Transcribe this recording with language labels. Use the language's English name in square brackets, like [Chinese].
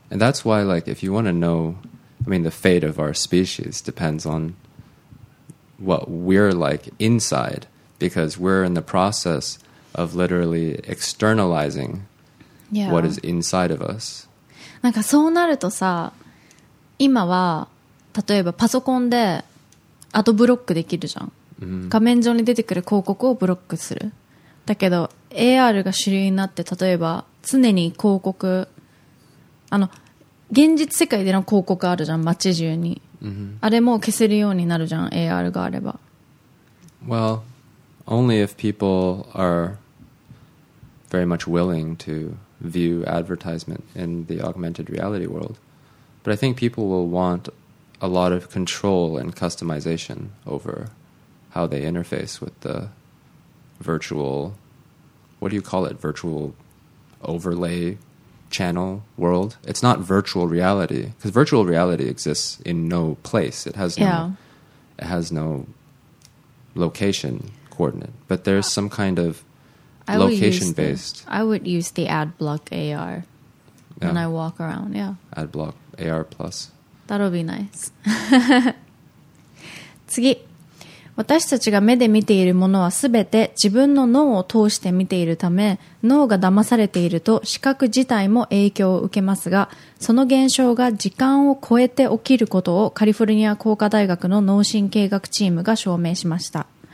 [English] And that's why, like, if you want to know, I mean, the fate of our species depends on what we're like inside, because we're in the process of literally externalizing what is inside of us. [Japanese] なんかそうなるとさ、今は例えばパソコンでアドブロックできるじゃん。画面上に出てくる広告をブロックする。だけど AR が主流になって、例えば常に広告、あの現実世界での広告あるじゃん、街中に。あれも消せるようになるじゃん、AR があれば。 [English] Well, only if people are very much willing to view advertisement in the augmented reality world. But I think people will want a lot of control and customization over how they interface with the virtual, what do you call it, virtual overlay channel world. It's not virtual reality, because virtual reality exists in no place. It has no location coordinate, but there's some kind of location based. I would use the AdBlock AR when I walk around. Yeah, AdBlock AR Plus. That'll be nice. [Japanese] 次、私たちが目で見ているものはすべて自分の脳を通して見ているため、脳が騙されていると視覚自体も影響を受けますが、その現象が時間を超えて起きることをカリフォルニア工科大学の脳神経学チームが証明しました。